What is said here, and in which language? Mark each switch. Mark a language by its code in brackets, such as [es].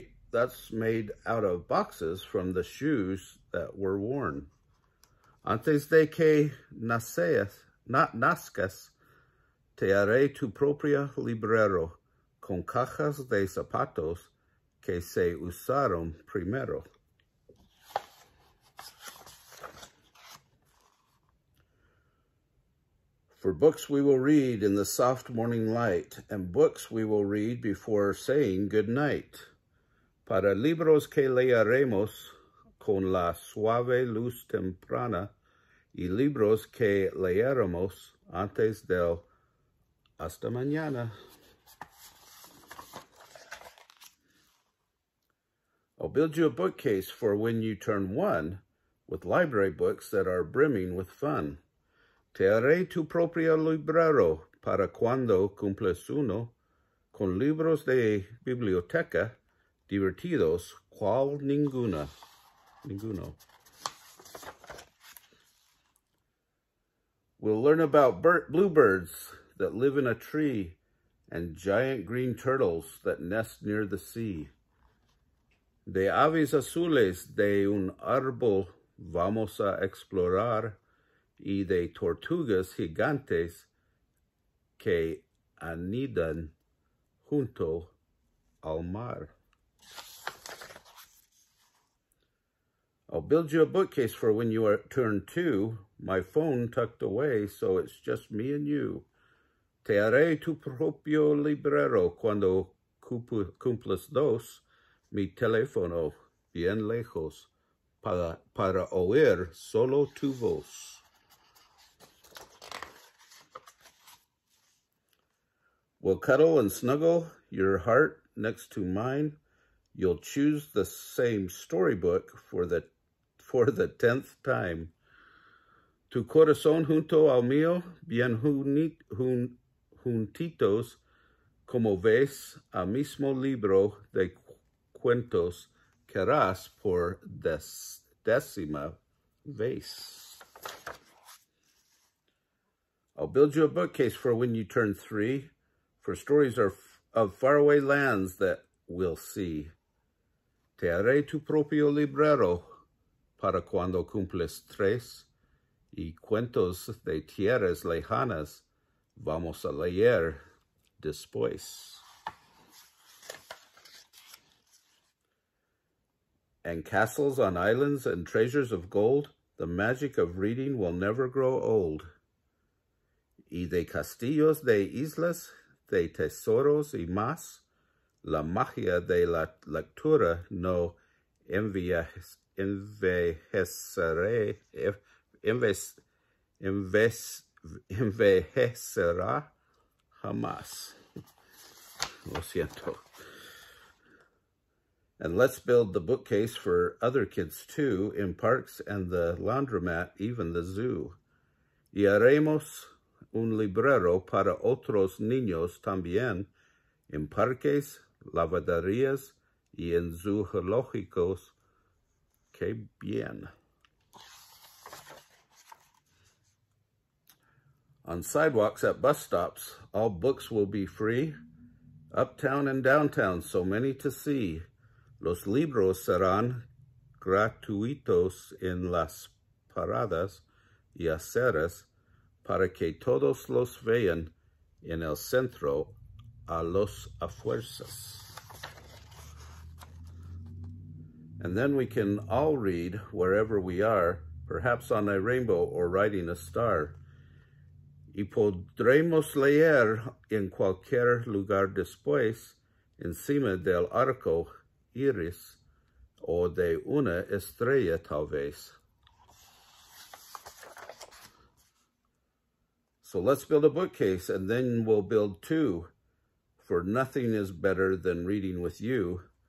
[en] That's made out of boxes from the shoes that were worn. [es] Antes de que nazcas, te haré tu propio librero con cajas de zapatos que se usaron primero. [en] For books we will read in the soft morning light, and books we will read before saying good night. [es] Para libros que leeremos con la suave luz temprana y libros que leeremos antes del hasta mañana. [en] I'll build you a bookcase for when you turn one with library books that are brimming with fun. [es] Te haré tu propio librero para cuando cumples uno con libros de biblioteca. Divertidos, cual ninguna. Ninguno. [en] We'll learn about bluebirds that live in a tree and giant green turtles that nest near the sea. [es] De aves azules de un árbol vamos a explorar y de tortugas gigantes que anidan junto al mar. [en] I'll build you a bookcase for when you are turn two. My phone tucked away, so it's just me and you. [es] Te haré tu propio librero cuando cumples dos. Mi teléfono bien lejos para oír solo tu voz. [en] We'll cuddle and snuggle your heart next to mine. You'll choose the same storybook for the 10th time. [es] Tu corazón junto al mío, bien juntitos, como ves, al mismo libro de cuentos querrás por décima vez. [en] I'll build you a bookcase for when you turn three, for stories of faraway lands that we'll see. [es] Te haré tu propio librero para cuando cumples tres, y cuentos de tierras lejanas, vamos a leer después. [en] And castles on islands and treasures of gold, the magic of reading will never grow old. [es] Y de castillos de islas, de tesoros y más, la magia de la lectura no envejecerá jamás. Lo siento. [en] And let's build the bookcase for other kids too, in parks and the laundromat, even the zoo. [es] Y haremos un librero para otros niños también, en parques, lavanderías y en zoológicos. Qué bien. [en] On sidewalks at bus stops, all books will be free. Uptown and downtown, so many to see. [es] Los libros serán gratuitos en las paradas y aceras para que todos los vean en el centro a los afuerzas. [en] And then we can all read wherever we are, perhaps on a rainbow or riding a star. [es] Y podremos leer en cualquier lugar después, encima del arco iris, o de una estrella tal vez. [en] So let's build a bookcase, and then we'll build two, for nothing is better than reading with you.